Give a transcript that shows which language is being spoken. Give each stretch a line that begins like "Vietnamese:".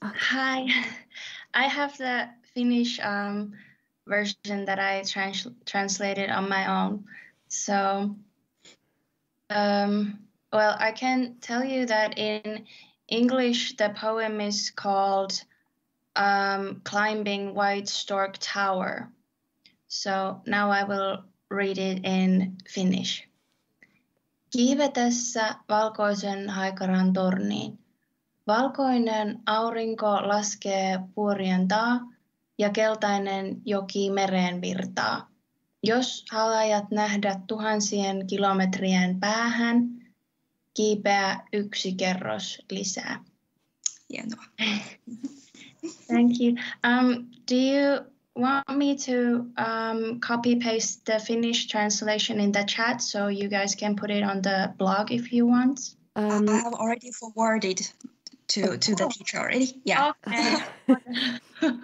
English: Hi, I have the Finnish version that I translated on my own. So, well, I can tell you that in English, the poem is called Climbing White Stork Tower. So now I will read it in Finnish.
Finnish: Kiivetessä valkoisen haikaran torniin. Valkoinen aurinko laskee puorien taa ja keltainen joki mereen virtaa. Jos haluat nähdä tuhansien kilometrien päähän, kiipeä yksi kerros lisää. Hienoa.
English: Thank you. Do you want me to copy paste the Finnish translation in the chat so you guys can put it on the blog if you want? I have already forwarded to the teacher already. Yeah. Okay.